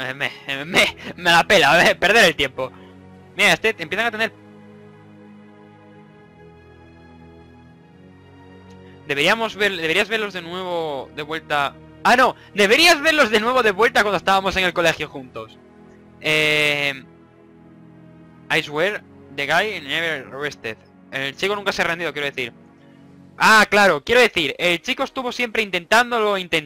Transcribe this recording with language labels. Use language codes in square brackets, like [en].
[es] Me la pela, perder el tiempo. Mira, este, empiezan a tener... deberías verlos de nuevo, de vuelta... ¡Ah, no! Deberías verlos de nuevo de vuelta cuando estábamos en el colegio juntos. [en] I swear, the guy never rested. [es] El chico nunca se ha rendido, quiero decir. ¡Ah, claro! Quiero decir, el chico estuvo siempre intentándolo.